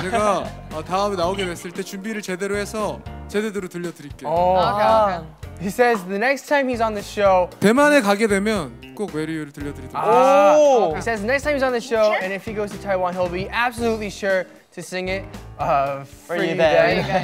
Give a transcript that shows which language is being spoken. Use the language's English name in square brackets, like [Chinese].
[Korean] 제가 다음에 나오게 됐을 때 준비를 제대로 해서 제대로 들려드릴게요. 오. [English] He says the next time he's on the show. [Korean] 대만에 가게 되면 꼭 메리유를 들려드리도록. [English] 아, he says the next time he's on the show, and if he goes to Taiwan, he'll be absolutely sure to sing it for you guys.